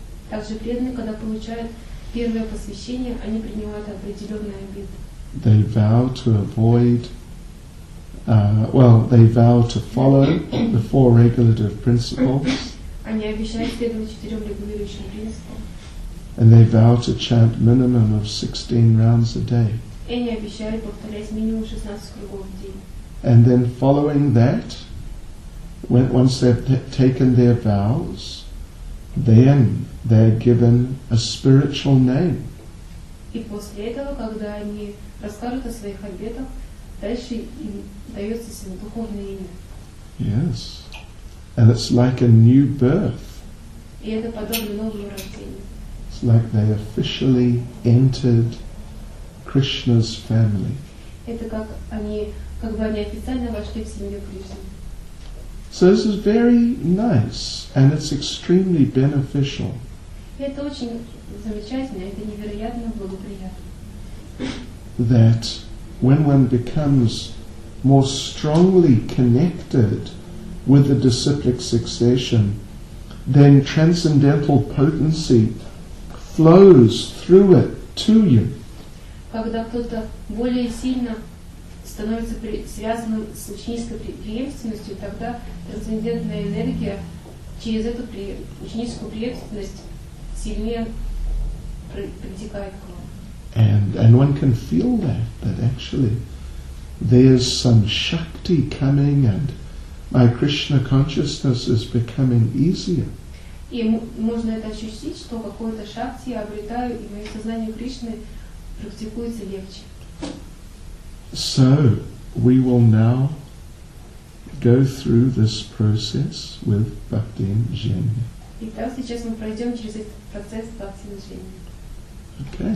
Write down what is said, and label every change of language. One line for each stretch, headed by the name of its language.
Russian: Также преданные, когда получают первое посвящение, они принимают определенные обеты.
English: They vow to avoid, they vow to follow the four regulative principles.
Russian: Они обещают следовать четырем регулирующим принципам.
English: And they vow to chant minimum of 16 rounds a day.
Russian: И они обещают повторять минимум 16 кругов в день.
English: And then following that, when, once they've taken their vows, then they're given a spiritual name.
Russian: И после этого, когда они расскажут о своих обетах, дальше им дается себе духовное имя.
English: Yes. And it's like a new birth.
Russian: И это подобно новому рождению.
English: It's like they officially entered Krishna's family.
Russian: Это как они... как бы они официально вошли в семью Кришны.
English: So this is very nice, and it's extremely beneficial.
Russian: Это очень замечательно, это невероятно благоприятно.
English: That when one becomes more strongly connected with the disciplic succession, then transcendental potency flows through it to you.
Russian: Когда кто-то более сильно становится связанным с ученической преемственностью, тогда трансцендентная энергия через эту ученическую преемственность сильнее притекает к вам.
English: And one can feel that actually there's some shakti coming and my Krishna consciousness is becoming easier.
Russian: И можно это ощутить, что какое-то шакти я обретаю, и мое сознание Кришны практикуется легче.
English: So, we will now go through this process with Bhakti Zhenya.
Russian: Итак, сейчас мы пройдем через этот процесс Бхакти Зхенья.